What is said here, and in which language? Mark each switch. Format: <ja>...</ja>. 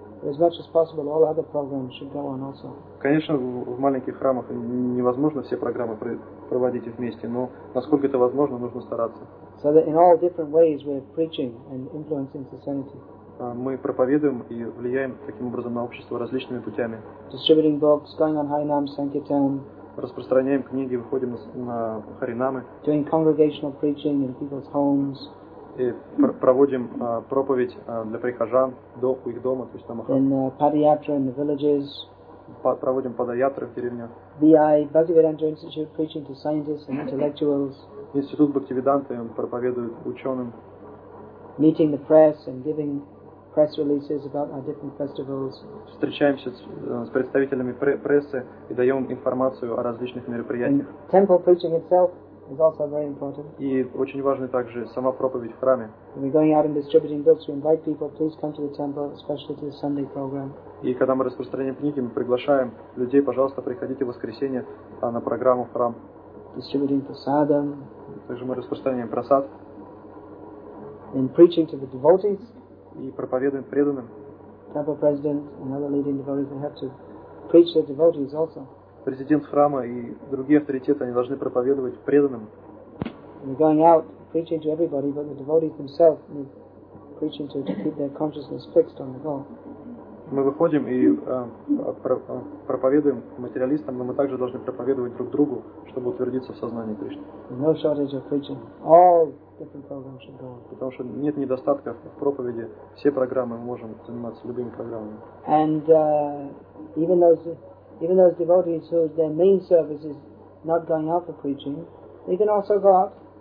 <en>But as much as possible, all other programs should go on also.</en> <ru>Конечно, в маленьких храмах невозможно все программы проводить вместе, но насколько это возможно, нужно стараться.</ru> <en>So that in all different ways we're preaching and influencing society.</en> <ru>Мы проповедуем и влияем таким образом на общество различными путями.</ru> <en>Distributing books, going on Harinam Sankirtan.</en> <ru>Распространяем книги, выходим на харинамы.</ru> <en>Doing congregational preaching in people's homes.</en> <ru>И проводим проповедь для прихожан до их дома, то есть на махат.</ru> <en>In Padayatra, in the villages.</en> <ru>Проводим Падаятра в деревнях.</ru> <en>BI, Bhaktivedanta Institute, preaching to scientists and intellectuals.</en> <ru>Институт Бхактивиданты, он проповедует ученым.</ru> <en>Meeting the press and giving press releases about our different festivals.</en> <ru>Встречаемся с представителями прессы и даем информацию о различных мероприятиях.</ru> <en>And temple preaching itself is also very important.</en> <ru>И очень важна также сама проповедь в храме.</ru> <en>When we're going out and distributing books, we invite people, please come to the temple, especially to the Sunday program.</en> <ru>И когда мы распространяем книги, мы приглашаем людей, пожалуйста, приходите в воскресенье на программу в храм.</ru> <en>Distributing prasadam.</en> <ru>Также мы распространяем прасад.</ru> <en>In preaching to the devotees.</en> <ru>И проповедуем преданным.</ru> <en>Temple president and other leading devotees, they have to preach to the devotees also.</en> <ru>Президент храма и другие авторитеты, они должны проповедовать преданным.</ru> <en>And going out, preaching to everybody, but the devotees themselves need preaching to keep their consciousness fixed on the goal.</en> <ru>мы выходим и проповедуем материалистам, но мы также должны проповедовать друг другу, чтобы утвердиться в сознании Кришны.</ru> <en>No shortage of preaching. All different programs should go.</en> <ru>Потому что нет недостатков в проповеди. Все программы мы можем заниматься любыми программами.</ru> <en>And even those devotees whose their main service is not going out for preaching, they can also go out.</en>